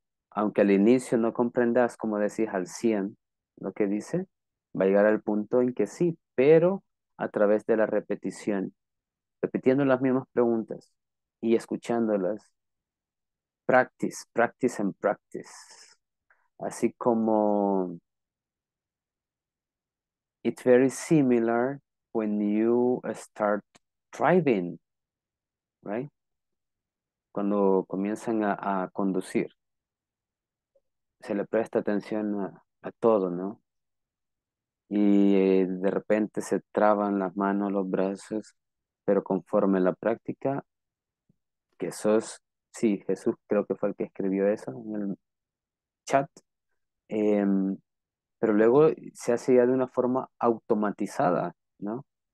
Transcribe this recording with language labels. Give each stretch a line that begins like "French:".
Spanish: Aunque al inicio no comprendas, como decís, al 100 lo que dice, va a llegar al punto en que sí, pero a través de la repetición, repitiendo las mismas preguntas y escuchándolas.
English: Practice, practice and practice.
Spanish: Así como
English: it's very similar when you start driving, right?
Spanish: Cuando comienzan a conducir, se le presta atención a todo, ¿no? Y de repente se traban las manos, los brazos, pero conforme la práctica, que sos, sí, Jesús creo que fue el que escribió eso en el chat, pero luego se hace ya de una forma automatizada, ¿no?